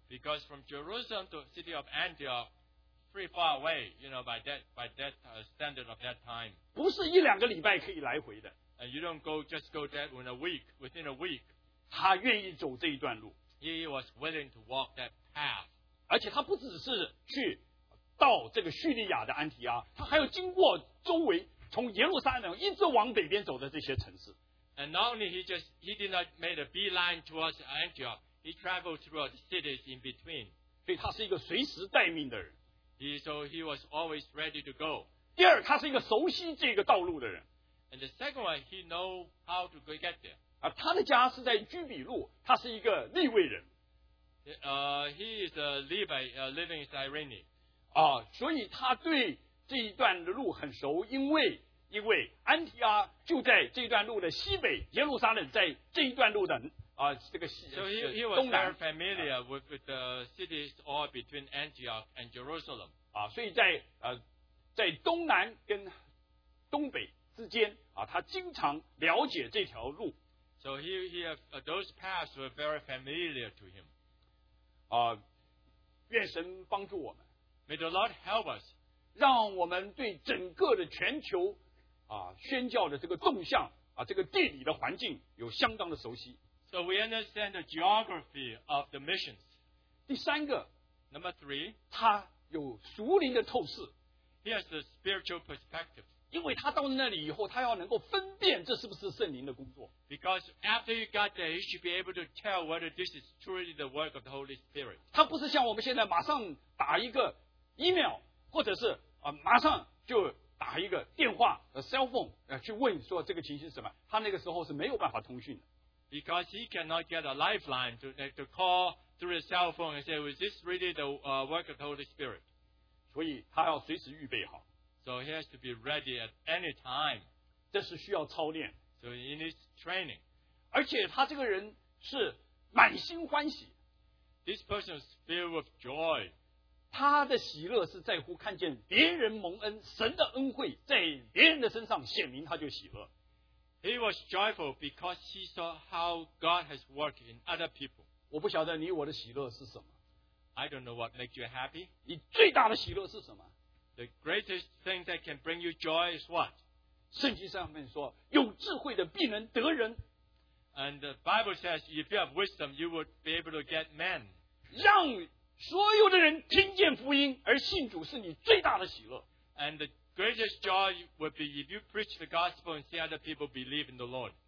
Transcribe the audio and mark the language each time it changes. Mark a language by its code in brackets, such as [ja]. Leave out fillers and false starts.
[en] Because from Jerusalem to the city of Antioch, pretty far away, you know, by that standard of that time. [zh] 不是一两个礼拜可以来回的。 [en] And you don't just go there in a week, within a week. [zh] 他愿意走这一段路。 [en] He was willing to walk that path. [zh] 而且他不只是去 到这个叙利亚的安提阿, 他还要经过周围, 从耶路撒冷一直往北边走的这些城市。 [en] And not only he did not make a beeline towards Antioch, he traveled throughout the cities in between. [zh] 所以他是一个随时待命的人。 [en] So he was always ready to go. [zh] 第二, 他是一个熟悉这个道路的人。 [en] And the second one, he knows how to get there. [zh] 他的家是在居比路, 他是一个利未人。 [en] He is a Levite, living in Cyrene. [zh] 所以他对这一段的路很熟, 因为安提阿就在这一段路的西北, 耶路撒冷在这一段路的, 这个西东南。 [en] So he was very familiar with the cities all between Antioch and Jerusalem. [zh] 所以在, 在东南跟东北之间, 他经常了解这条路。 [en] So those paths were very familiar to him. [zh] 愿神帮助我们。 [en] May the Lord help us. [zh] 让我们对整个的全球, 宣教的这个动向, 这个地理的环境有相当的熟悉。 [en] So we understand the geography of the missions. [zh] 第三个, [en] Number three, [zh] 他有属灵的透视。 [en] He has the spiritual perspective. [zh] 因为他到那里以后, 他要能够分辨这是不是圣灵的工作。 [en] Because after he got there, he should be able to tell whether this is truly the work of the Holy Spirit. [zh] 他不是像我们现在马上打一个 email 或者是, 马上就打一个电话, cell phone, 去问说这个情形是什么, 他那个时候是没有办法通讯的。 [en] Because he cannot get a lifeline to call through the cell phone and say, is this really the work of the Holy Spirit? [zh] 所以他要随时预备好。 [en] So he has to be ready at any time. [zh] 这是需要操练。 [en] So he needs training. [zh] 而且他这个人是满心欢喜。 [en] This person is filled with joy. [zh] 他的喜乐是在乎看见别人蒙恩, 神的恩惠在别人的身上显明他就喜乐。 [en] He was joyful because he saw how God has worked in other people. [zh] 我不晓得你我的喜乐是什么。 [en] I don't know what makes you happy. [zh] 你最大的喜乐是什么？ [en] The greatest thing that can bring you joy is what? [zh] 圣经上面说, 有智慧的必能得人。 [en] And the Bible says, if you have wisdom, you would be able to get men. [zh] 让所有的人听见福音而信主是你最大的喜乐。 [en] And the greatest joy would be if you preach the gospel and see other people believe in the Lord.